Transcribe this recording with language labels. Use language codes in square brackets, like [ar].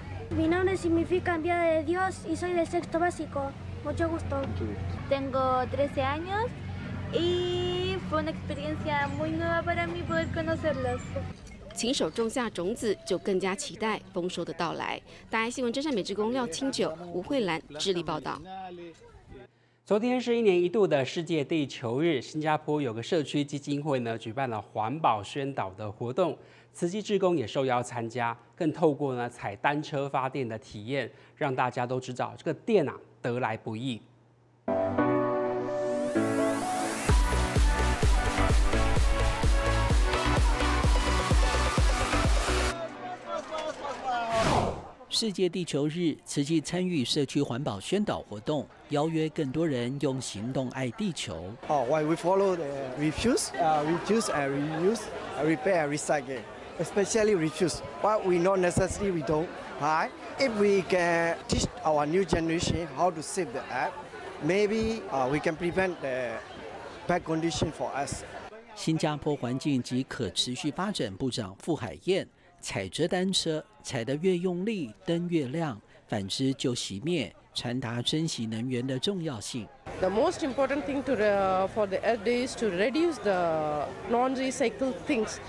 [es] Mi nombre significa enviada de Dios y soy de sexto básico. Mucho gusto. Tengo 13 años y fue una experiencia muy nueva para mí poder conocerlos. [zh] 亲手种下种子，就更加期待丰收的到来。大爱新闻真善美志工廖清九、吴慧兰致力报道。昨天是一年一度的世界地球日，新加坡有个社区基金会呢，举办了环保宣导的活动。慈济志工也受邀参加，更透过呢踩单车发电的体验，让大家都知道这个电啊得来不易。世界地球日，慈济参与社区环保宣导活动，邀约更多人用行动爱地球。 [en] Oh, why we follow the refuse, reduce and reuse, repair, recycle. Especially refuse, but we not necessarily we don't. Hi, if we can teach our new generation how to save the earth, maybe we can prevent the bad condition for us. [zh] 新加坡环境及可持续发展部长傅海燕踩着单车，踩得越用力，灯越亮，反之就熄灭，传达珍惜能源的重要性。 [en] The most important thing to the, for the earth is to reduce the non-recycled things.